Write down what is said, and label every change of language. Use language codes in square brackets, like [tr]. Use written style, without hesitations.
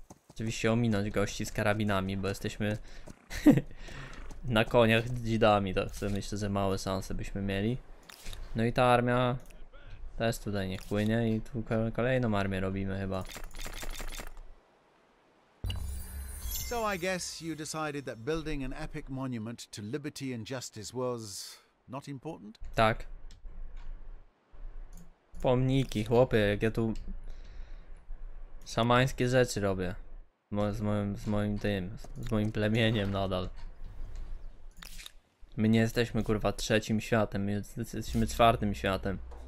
[pl] Oczywiście ominąć gości z karabinami, bo jesteśmy... Na koniach dzidami, tak sobie myślę, że małe szanse byśmy mieli. No i ta armia też tutaj niech płynie i tu kolejną armię robimy chyba. [en] So I guess you decided that building an epic monument to liberty and justice was not important? [pl] Tak. Pomniki, chłopie, jak ja tu szamańskie rzeczy robię. Z moim plemieniem nadal. My nie jesteśmy, kurwa, trzecim światem, my jesteśmy czwartym światem.